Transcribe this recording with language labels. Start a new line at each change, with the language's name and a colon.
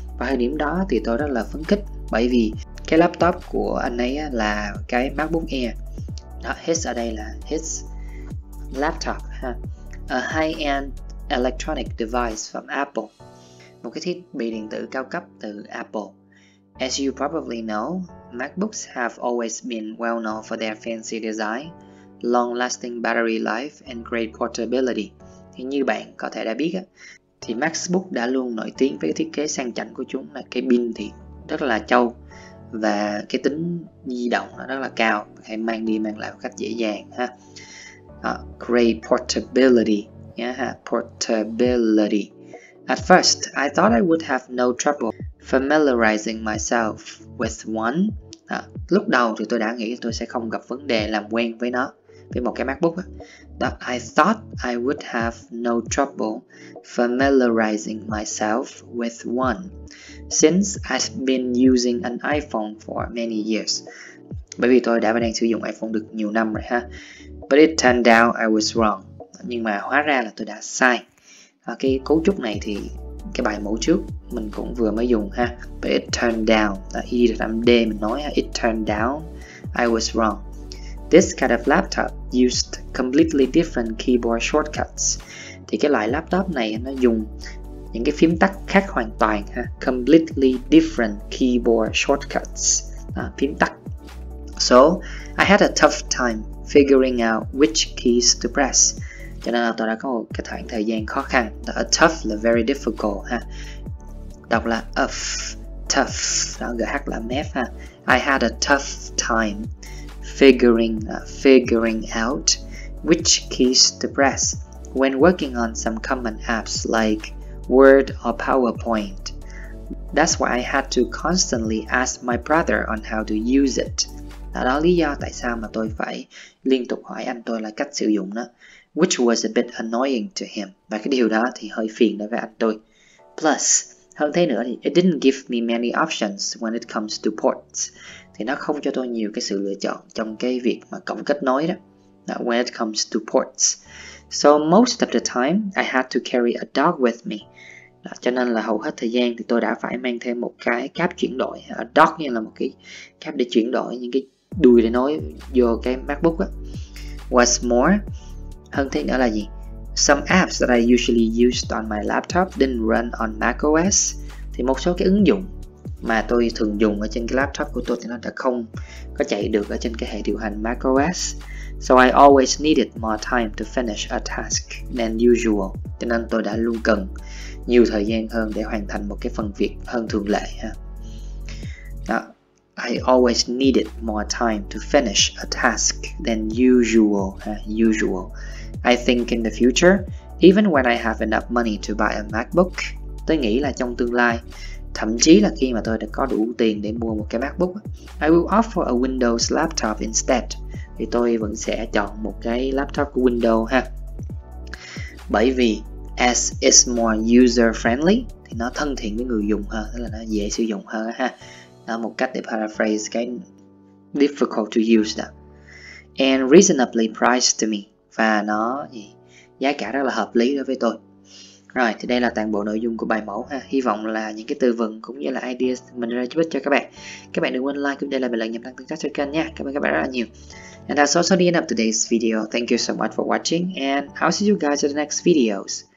Vietnamese: Và thời điểm đó thì tôi rất là phấn khích bởi vì cái laptop của anh ấy là cái MacBook Air. Đó, his ở đây là
English: his laptop
Vietnamese: ha.
English: A high-end electronic device from Apple.
Vietnamese: Một cái thiết bị điện tử cao cấp từ Apple.
English: As you probably know, MacBooks have always been well known for their fancy design, long-lasting battery life and great portability.
Vietnamese: Thì như bạn có thể đã biết á, thì MacBook đã luôn nổi tiếng với cái thiết kế sang chảnh của chúng, là cái pin thì rất là trâu và cái tính di động nó rất là cao, hay mang đi mang lại một cách dễ dàng ha.
English: Đó, great portability, yeah, ha, portability. At first, I thought I would have no trouble familiarizing myself with one.
Vietnamese: Đó, lúc đầu thì tôi đã nghĩ tôi sẽ không gặp vấn đề làm quen với nó, với một cái MacBook á.
English: But I thought I would have no trouble familiarizing myself with one since I've been using an iPhone for many years.
Vietnamese: Bởi vì tôi đã và đang sử dụng iPhone được nhiều năm rồi ha.
English: But it turned out I was wrong.
Vietnamese: Nhưng mà hóa ra là tôi đã sai. Và cái cấu trúc này thì cái bài mẫu trước mình cũng vừa mới dùng ha.
English: But it turned out,
Vietnamese: E là âm D mình nói ha.
English: It turned out I was wrong. This kind of laptop used completely different keyboard shortcuts.
Vietnamese: Thì cái loại laptop này nó dùng những cái phím tắt khác hoàn toàn ha.
English: Completely different keyboard shortcuts.
Vietnamese: À, phím tắt.
English: So, I had a tough time figuring out which keys to press.
Vietnamese: Cho nên là tôi đã có một cái khoảng thời gian khó khăn.
English: A tough là very difficult ha.
Vietnamese: Đọc là uff, tough. Đó, gh là mép ha.
English: I had a tough time figuring out which keys to press when working on some common apps like Word or PowerPoint. That's why I had to constantly ask my brother on how to use it.
Vietnamese: Đó là lý do tại sao mà tôi phải liên tục hỏi anh tôi là cách sử dụng đó.
English: Which was a bit annoying to him.
Vietnamese: Và cái điều đó thì hơi phiền đối với anh tôi.
English: Plus,
Vietnamese: hơn thế nữa thì
English: it didn't give me many options when it comes to ports.
Vietnamese: Thì nó không cho tôi nhiều cái sự lựa chọn trong cái việc mà cổng kết nối đó.
English: Now, when it comes to ports. So most of the time, I had to carry a dog with me.
Vietnamese: Đó, cho nên là hầu hết thời gian thì tôi đã phải mang thêm một cái cáp chuyển đổi. A dock như là một cái cáp để chuyển đổi những cái đuôi để nối vô cái MacBook á.
English: What's more,
Vietnamese: hơn thế nữa là gì?
English: Some apps that I usually used on my laptop didn't run on macOS.
Vietnamese: Thì một số cái ứng dụng mà tôi thường dùng ở trên cái laptop của tôi thì nó đã không có chạy được ở trên cái hệ điều hành macOS.
English: So I always needed more time to finish a task than usual.
Vietnamese: Cho nên tôi đã luôn cần nhiều thời gian hơn để hoàn thành một cái phần việc hơn thường lệ ha.
English: Đó. I always needed more time to finish a task than usual. Usual. I think in the future, even when I have enough money to buy a MacBook,
Vietnamese: tôi nghĩ là trong tương lai, thậm chí là khi mà tôi đã có đủ tiền để mua một cái MacBook,
English: I will opt for a Windows laptop instead.
Vietnamese: Thì tôi vẫn sẽ chọn một cái laptop của Windows ha. Bởi vì
English: S is more user friendly,
Vietnamese: thì nó thân thiện với người dùng hơn, tức là nó dễ sử dụng hơn ha. Đó, một cách để paraphrase cái
English: difficult to use
Vietnamese: đó.
English: And reasonably priced to me.
Vietnamese: Và nó gì? Giá cả rất là hợp lý đối với tôi. Rồi, thì đây là toàn bộ nội dung của bài mẫu ha. Hy vọng là những cái từ vựng cũng như là ideas mình ra giúp ích cho các bạn. Các bạn đừng quên like cũng như là bình luận nhằm tăng tương tác cho kênh nha. Cảm ơn các bạn rất là nhiều.
English: And that's also the end of today's video. Thank you so much for watching. And I'll see you guys in the next videos.